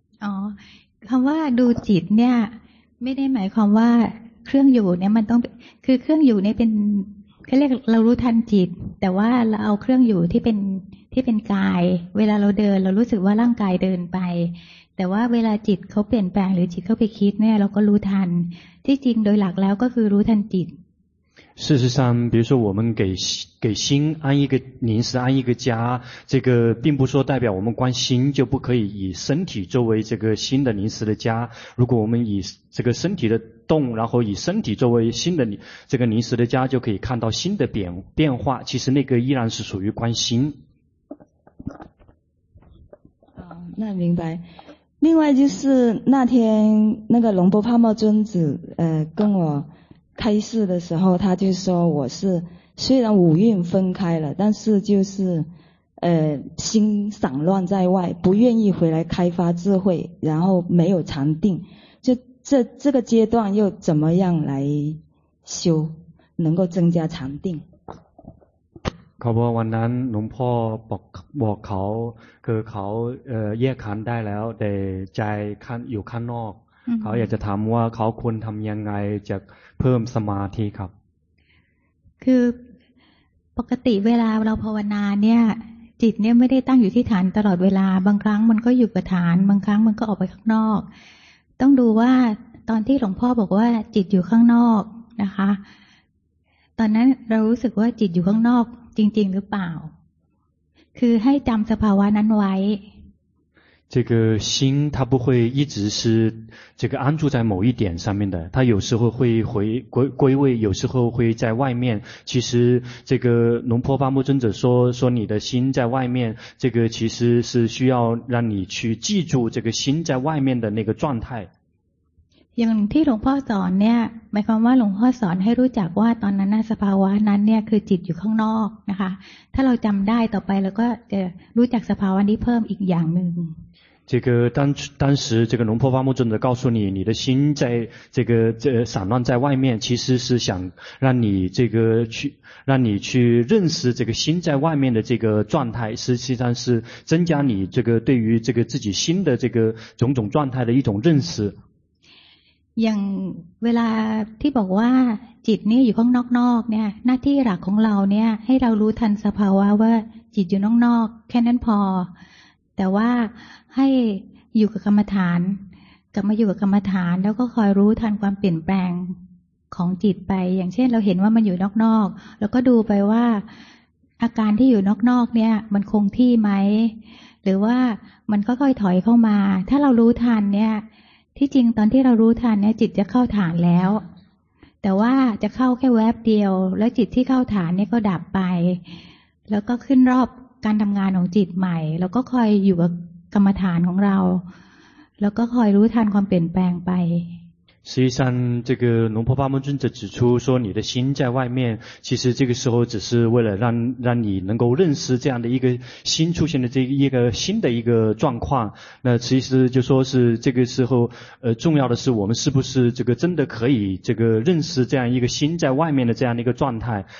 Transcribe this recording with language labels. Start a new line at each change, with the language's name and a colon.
Thai: อ๋อคำว่าดูจิตเนี่ยไม่ได้หมายความว่าเครื่องอยู่เนี่ยมันต้องคือเครื่องอยู่เนี่ยเป็นเขาเรียกเรารู้ทันจิตแต่ว่าเราเอาเครื่องอยู่ที่เป็นกายเวลาเราเดินเรารู้สึกว่าร่างกายเดินไปแต่ว่าเวลาจิตเขาเปลี่ยนแปลงหรือจิตเขาไปคิดเนี่ยเราก็รู้ทันที่จริงโดยหลักแล้วก็คือรู้ทันจิต
Chinese: 事实上比如说我们给心安一个临时安一个家这个并不说代表我们观心就不可以以身体作为这个心的临时的家如果我们以这个身体的动然后以身体作为心的这个临时的家就可以看到心的变化其实那个依然是属于观心那明白另外就是那天那个龙波帕默尊子跟我开示的时候他就说我是虽然五蕴分开了但是就是心散乱在外不愿意回来开发智慧然后没有禅定就这个阶段又怎么样来修能够增加禅定
Thai: เขาบอกวันนั้นหลวงพ่อบอกเขาคือเขาแยกขันธ์ได้แล้วแต่ใจอยู่ข้างนอกเขาอยากจะถามว่าเขาควรทำยังไงจะเพิ่มสมาธิครับ คือปกติเวลาเราภาวนาเนี่ยจิตเนี่ยไม่ได้ตั้งอยู่ที่ฐานตลอดเวลาบางครั้งมันก็อยู่กับฐานบางครั้งมันก็ออกไปข้างนอกต้องดูว่าตอนที่หลวงพ่อบอกว่าจิตอยู่ข้างนอกนะคะตอนนั้นเรารู้สึกว่าจิตอยู่ข้างนอกจริงๆหรือเปล่าคือให้จำสภาวะนั้นไว้
Chinese: 这个心它不会一直是这个安住在某一点上面的它有时候会归位有时候会在外面其实这个龙婆巴木尊者说你的心在外面这个其实是需要让你去记住这个心在外面的那个状态
Thai: อย่างที่หลวงพ่อสอนเนี่ยหมายความว่าหลวงพ่อสอนให้รู้จักว่าตอนนั้นสภาวะนั้นเนี่ยคือจิตอยู่ข้างนอกนะคะถ้าเราจำได้ต่อไปแล้วก็จะรู้จักสภาวะนี้เพิ่มอีกอย่างหนึ่ง
Chinese: 这个当时这个龙婆巴木尊者告诉你你的心在这个这散乱在外面其实是想让你这个去让你去认识这个心在外面的这个状态实际上是增加你这个对于这个自己心的这个种种状态的一种认识
Thai: อย่างเวลาที่บอกว่าจิตนี้อยู่ข้างนอกๆเนี่ยหน้าที่หลักของเราเนี่ยให้เรารู้ทันสภาวะว่าจิตอยู่นอกๆแค่นั้นพอแต่ว่าให้อยู่กับกรรมฐานกลับมาอยู่กับกรรมฐานแล้วก็คอยรู้ทันความเปลี่ยนแปลงของจิตไปอย่างเช่นเราเห็นว่ามันอยู่นอกๆแล้วก็ดูไปว่า อาการที่อยู่นอกๆเนี่ยมันคงที่ไหมหรือว่ามันก็ค่อยถอยเข้ามาถ้าเรารู้ทันเนี่ยที่จริงตอนที่เรารู้ฐานเนี่ยจิตจะเข้าฐานแล้วแต่ว่าจะเข้าแค่แวบเดียวแล้วจิตที่เข้าฐานเนี่ยก็ดับไปแล้วก็ขึ้นรอบการทำงานของจิตใหม่แล้วก็คอยอยู่กับกรรมฐานของเราแล้วก็คอยรู้ทันความเปลี่ยนแปลงไป
Chinese: 实际上这个龙婆巴门尊者指出说你的心在外面，其实这个时候只是为了让你能够认识这样的一个新出现的这个一个新的一个状况，那其实就说是这个时候重要的是我们是不是这个真的可以这个认识这样一个心在外面的这样的一个状态。